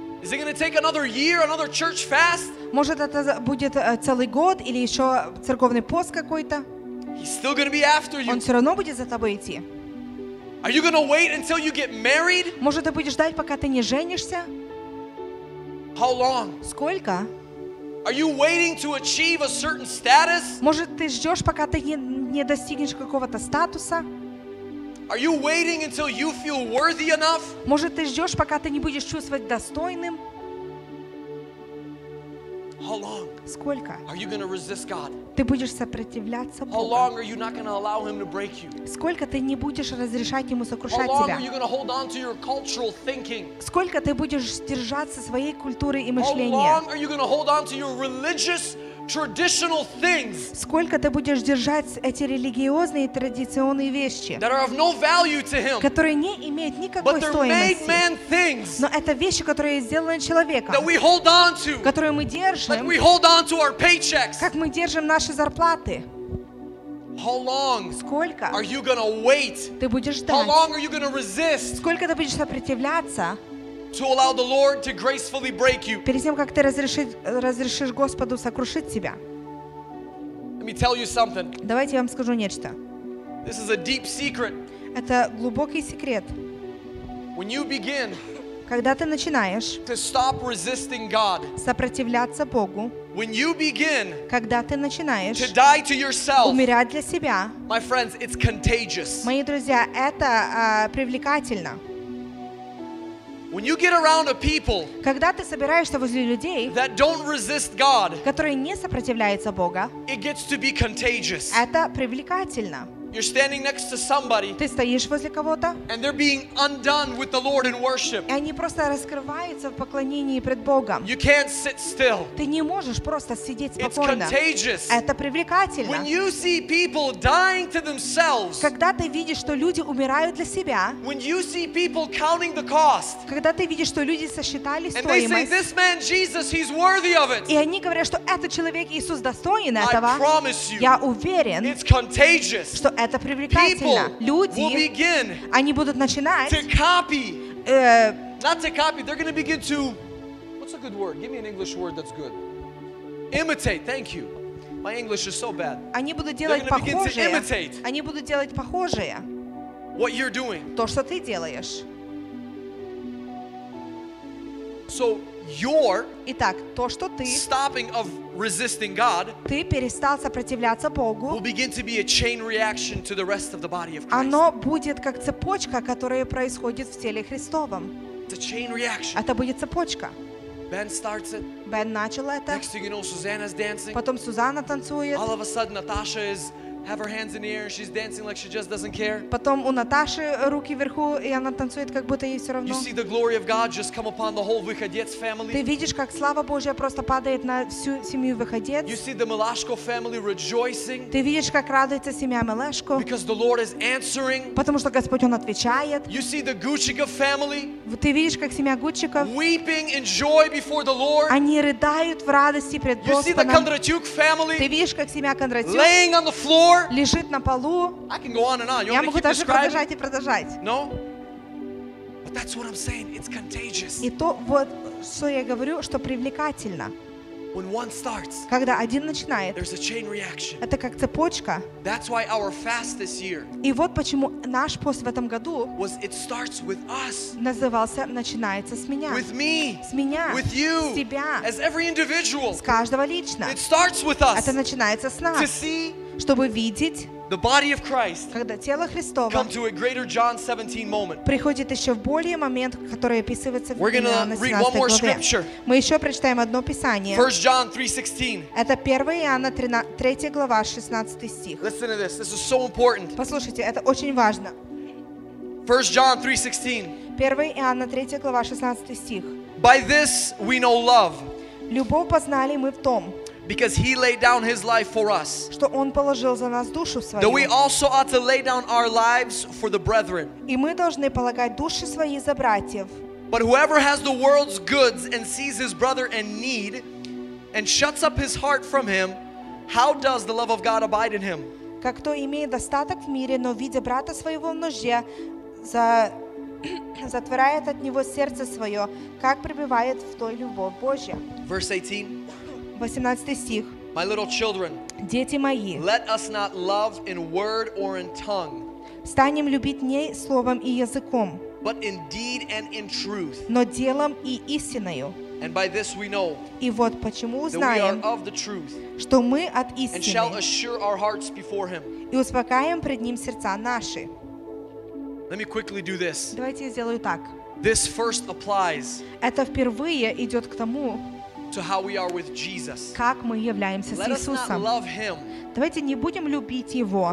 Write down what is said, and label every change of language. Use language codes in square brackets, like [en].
[en] Is it going to take another year, another church fast? [ru] Может это будет целый год или ещё церковный пост какой-то? [en] He's still going to be after you. [ru] Он всё равно будет за тобой идти. [en] Are you going to wait until you get married? [ru] Может ты будешь ждать, пока ты не женишься? [en] How long? [ru] Сколько? [en] Are you waiting to achieve a certain status? [ru] Может ты ждёшь, пока ты не достигнешь какого-то статуса? [en] Are you waiting until you feel worthy enough? [ru] Может ты ждёшь, пока ты не будешь чувствовать достойным? [en] How long? [ru] Сколько? [en] Are you going to resist God? [ru] Ты будешь сопротивляться Богу? [en] How long are you not going to allow him to break you? [ru] Сколько ты не будешь разрешать ему сокрушать тебя? [en] How long are you going to hold on to your cultural thinking? [ru] Сколько ты будешь держаться своей культуры и мышления? [en] How long are you going to hold on to your religious traditional things? [ru] Сколько ты будешь держать эти религиозные и традиционные вещи? [en] That are of no value to him. [ru] Которые не имеют никакой стоимости. [en] But they're made man things. [ru] Но это вещи, которые сделаны человеком. [en] That we hold on to. [ru] Которые мы держим. [en] Like we hold on to our paychecks. [ru] Как мы держим наши зарплаты. [en] How long? [ru] Сколько? [en] Are you going to wait? [ru] Ты будешь ждать? [en] How long are you going to resist? [ru] Сколько ты будешь сопротивляться? [en] To allow the Lord to gracefully break you. [ru] Перед тем, как ты разрешишь Господу сокрушить тебя. [en] Let me tell you something. [ru] Давайте я вам скажу нечто. [en] This is a deep secret. [ru] Это глубокий секрет. [en] When you begin, [ru] когда ты начинаешь, [en] to stop resisting God, [ru] сопротивляться Богу. [en] When you begin, [ru] когда ты начинаешь, [en] to die to yourself, [ru] умирать для себя. [en] My friends, it's contagious. [ru] Мои друзья, это привлекательно. [en] When you get around a people, [ru] когда ты собираешься возле людей, [en] that don't resist God, [ru] которые не сопротивляются Богу, [en] it gets to be contagious. [ru] Это привлекательно. [en] You're standing next to somebody, [ru] ты стоишь возле кого-то, [en] and they're being undone with the Lord in worship. [ru] И они просто раскрываются в поклонении пред Богом. [en] You can't sit still. [ru] Ты не можешь просто сидеть спокойно. [en] It's contagious. [ru] Это привлекательно. [en] When you see people dying to themselves, [ru] когда ты видишь, что люди умирают для себя, [en] when you see people counting the cost, [ru] когда ты видишь, что люди сосчитали стоимость, [en] and they say, "This man Jesus, he's worthy of it." [ru] И они говорят, что этот человек Иисус достоин этого. [en] I promise you. [ru] Я уверен. [en] It's contagious. [ru] Это привлекательно. Люди, они будут начинать [en] to copy. Not to copy, they're going to begin to, what's a good word? Give me an English word that's good. Imitate, thank you. My English is so bad. [ru] Они будут делать похожее. [en] They're going to begin to imitate. [ru] Они будут делать похожее. [en] What you're doing. [ru] То, что ты делаешь. [en] So your [ru] Итак, то, что ты [en] stopping of resisting God, [ru] ты перестал сопротивляться Богу, [en] will begin to be a chain reaction to the rest of the body of Christ. [ru] Оно будет как цепочка, которая происходит в теле Христовом. [en] It's a chain reaction. [ru] Это будет цепочка. [en] Ben starts it. [ru] Ben начал это. [en] Next thing you know, Susanna's dancing. [ru] Потом Сюзанна танцует. [en] All of a sudden, Natasha is have her hands in the air and she's dancing like she just doesn't care. [ru] Потом у Наташи руки вверху и она танцует как будто ей всё равно. [en] You see the glory of God just come upon the whole Выходец family. [ru] Ты видишь, как слава Божья просто падает на всю семью Выходец? [en] You see the Milashko family rejoicing. [ru] Ты видишь, как радуется семья Милашко? [en] Because the Lord is answering. [ru] Потому что Господь он отвечает. [en] You see the Гучика family? [ru] Ты видишь, как семья Гучиков? [en] Weeping in joy before the Lord. [ru] Они рыдают в радости пред Господом. [en] You see the Кондратюк family? [ru] Ты видишь, как семья Кондратюк? [en] Laying on the floor. [ru] Лежит на полу. [en] I can go on and on. [ru] Я могу даже продолжать и продолжать. [en] No? But that's what I'm saying. It's contagious. [ru] И то, вот, что я говорю, что привлекательно. [en] When one starts, [ru] когда один начинает, [en] there's a chain reaction. [ru] Это как цепочка. [en] That's why our fast this year, [ru] и вот почему наш пост в этом году [en] was, it starts with us, [ru] назывался «Начинается с меня». [en] With me, [ru] с меня. [en] With you, [ru] с тебя. [en] As every individual, [ru] с каждого лично. [en] It starts with us, [ru] это начинается с нас. [en] To see, [ru] чтобы видеть, [en] the body of Christ, [ru] когда тело Христово, [en] come to a greater John 17 moment. [ru] Приходит еще в более момент, который описывается в 17 главе. Мы еще прочитаем одно писание. [en] 1 John 3:16. [ru] Это 1 Иоанна 3 глава 16 стих. [en] Listen to this. This is so important. [ru] Послушайте, это очень важно. [en] 1 John 3:16. [ru] 1 Иоанна 3 глава 16 стих. [en] By this we know love. [ru] Любовь познали мы в том. [en] Because he laid down his life for us. [ru] Что он положил за нас душу свою. [en] That we also ought to lay down our lives for the brethren. [ru] И мы должны полагать души свои за братьев. [en] But whoever has the world's goods and sees his brother in need and shuts up his heart from him, how does the love of God abide in him? [ru] Как кто имеет достаток в мире, но видя брата своего в нужде, за затворяет от него сердце свое, как пребывает в той любовь Божья. [en] Verse 18. [ru] 18 стих. [en] My little children, [ru] дети мои, [en] let us not love in word or in tongue, [ru] станем любить не словом и языком, [en] but in deed and in truth, [ru] но делом и истиною. [en] And by this we know, [ru] и вот почему узнаем, что мы от истины, [en] and shall assure our hearts before him, [ru] и успокаиваем пред ним сердца наши. [en] Let me quickly do this. [ru] Давайте я сделаю так. [en] This first applies. [ru] Это впервые идет к тому. [en] To how we are with Jesus. [ru] Как мы являемся с Иисусом. [en] Love him. [ru] Давайте не будем любить его.